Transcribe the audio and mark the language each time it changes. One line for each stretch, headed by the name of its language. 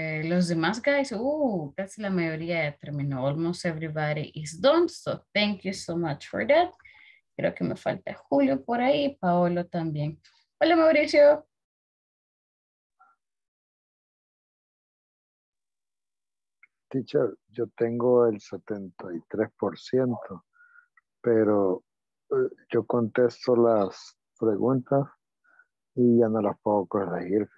Spanish: Los demás guys, casi la mayoría ya terminó.
English: Almost everybody is done, so thank you so much for that.
Spanish: Creo que me falta Julio por ahí, Paolo también. Hola Mauricio. Teacher, yo tengo el 73%, pero yo contesto las preguntas y ya no las puedo corregir.